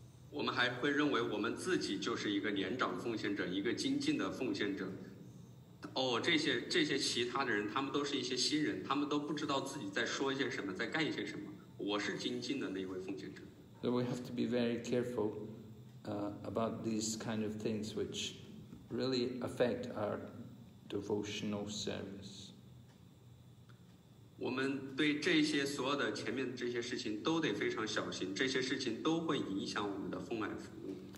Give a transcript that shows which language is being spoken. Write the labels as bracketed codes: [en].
[zh] 我们还会认为我们自己就是一个年长奉献者，一个精进的奉献者。哦，这些其他的人，他们都是一些新人，他们都不知道自己在说一些什么，在干一些什么。我是精进的那一位奉献者。 [en] So we have to be very careful about these kind of things which really affect our devotional service. [zh] 我们对这些所有的前面这些事情都得非常小心，这些事情都会影响我们的奉献服务。